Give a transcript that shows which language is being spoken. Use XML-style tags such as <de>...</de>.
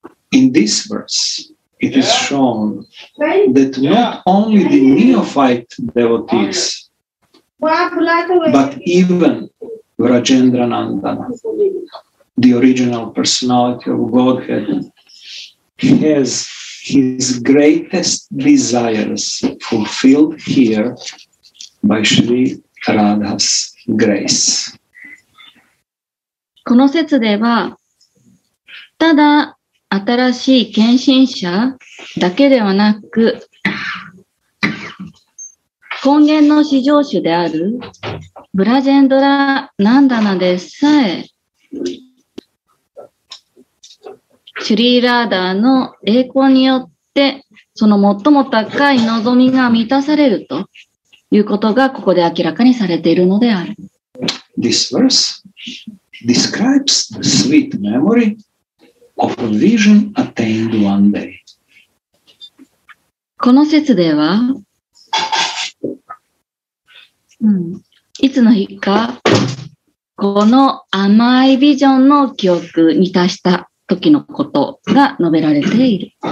<en>In this verse, it is shown that not only the neophyte devotees, but even Vrajendranandana, the original personality of Godhead, has his greatest desires fulfilled here by Sri Radha's grace.</en> <ja>この節では、ただ新しい献身者だけではなく、根源の至上主であるブラジェンドラ・ナンダナでさえ、シュリー・ラーダーの栄光によって、その最も高い望みが満たされると。いうことがここで明らかにされているのである。</ja> <en>This verse describes the sweet memory of a vision attained one day.</en> <ja>この節では、いつの日か、この甘いビジョンの記憶に達した時のことが述べられている。</ja>